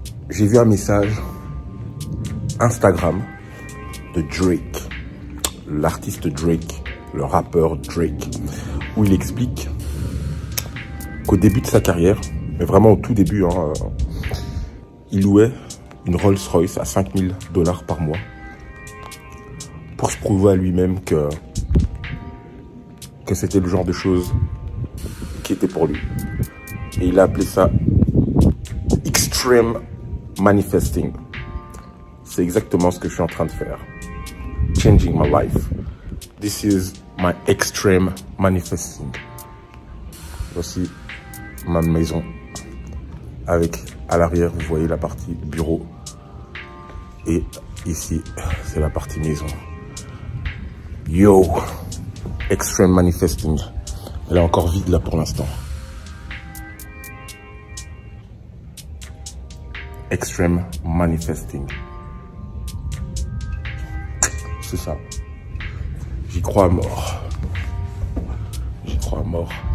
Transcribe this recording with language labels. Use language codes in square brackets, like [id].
[fr] j'ai vu un message Instagram de Drake, l'artiste Drake, le rappeur Drake, où il explique qu'au début de sa carrière, mais vraiment au tout début, hein, il louait une Rolls Royce à $5,000 par mois pour se prouver à lui-même que c'était le genre de choses qui était pour lui. Et il a appelé ça Extreme Manifesting. C'est exactement ce que je suis en train de faire. [en] Changing my life. This is my extreme manifesting. [fr] Voici ma maison. Avec à l'arrière, vous voyez la partie bureau. Et ici, c'est la partie maison. [en] Yo, extreme manifesting. [fr] Elle est encore vide là pour l'instant. [en] Extreme manifesting. [fr] C'est ça. J'y crois à mort. J'y crois à mort.